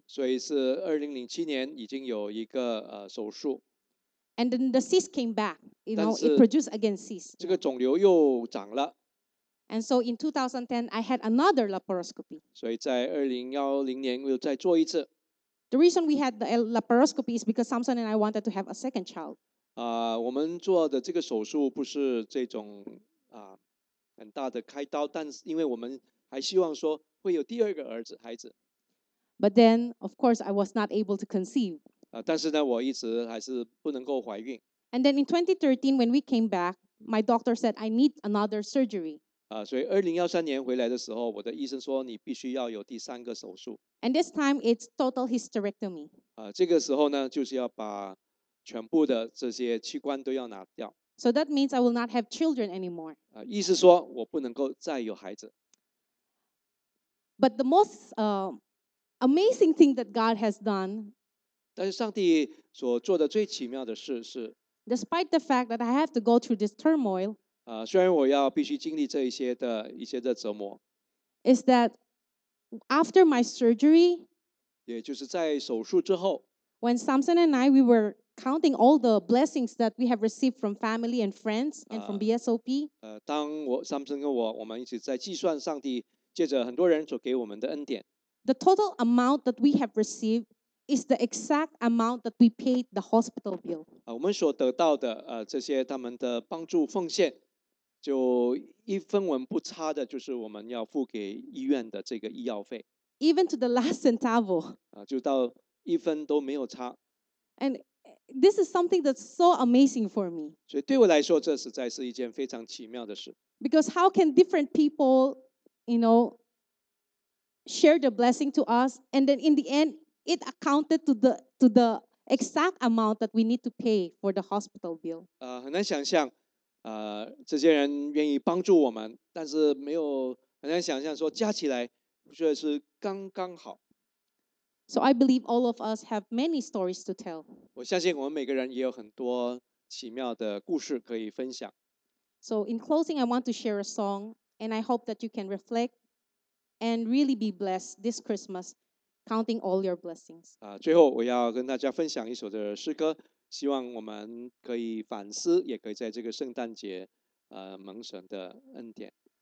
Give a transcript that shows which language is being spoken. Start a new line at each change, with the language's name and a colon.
Chinese: 所以是2007年已经有一个手术。
English: And then the cyst came back. You know, it produced again cyst.
Chinese: 这个肿瘤又长了。
English: And so in 2010, I had another laparoscopy.
Chinese: 所以在2010年又再做一次。
English: The reason we had the laparoscopy is because Samson and I wanted to have a second child.
Chinese: 我们做的这个手术不是这种很大的开刀，但是因为我们还希望说会有第二个孩子。
English: But then, of course, I was not able to conceive.
Chinese: 但是呢，我一直还是不能够怀孕。
English: And then in 2013, when we came back, my doctor said I need another surgery.
Chinese: 所以2013年回来的时候，我的医生说你必须要有第三个手术。
English: And this time it's total hysterectomy.
Chinese: 这个时候呢，就是要把全部的这些器官都要拿掉。
English: So that means I will not have children anymore.
Chinese: 意思说我不能够再有孩子。
English: But the most amazing thing that God has done.
Chinese: 但是上帝所做的最奇妙的事是。
English: Despite the fact that I have to go through this turmoil.
Chinese: 虽然我要必须经历这一些的折磨。
English: Is that After my surgery,
Chinese: 也就是在手术之后
English: when Samson and I we were counting all the blessings that we have received from family and friends and from BSOP,
Chinese: 当我 Samson 跟我们一起在计算上帝借着很多人所给我们的恩典
English: the total amount that we have received is the exact amount that we paid the hospital bill.
Chinese: 我们所得到的这些他们的帮助奉献。就一分文不差的，就是我们要付给医院的这个医药费。
English: Even to the last centavo.
Chinese: 就到一分都没有差。
English: And this is something that's so amazing for me.
Chinese: 所以对我来说，这实在是一件非常奇妙的事。
English: Because how can different people, you know, share the blessing to us, and then in the end, it accounted to the exact amount that we need to pay for the hospital bill.
Chinese: 很难想象，这些人愿意帮助我们，但是没有很难想象说加起来，却是刚刚好。
English: So I believe all of us have many stories to tell.
Chinese: 我相信我们每个人也有很多奇妙的故事可以分享。
English: So in closing, I want to share a song, and I hope that you can reflect and really be blessed this Christmas, counting all your blessings.
Chinese: 最后我要跟大家分享一首的诗歌，希望我们可以反思，也可以在这个圣诞节，蒙神的恩典。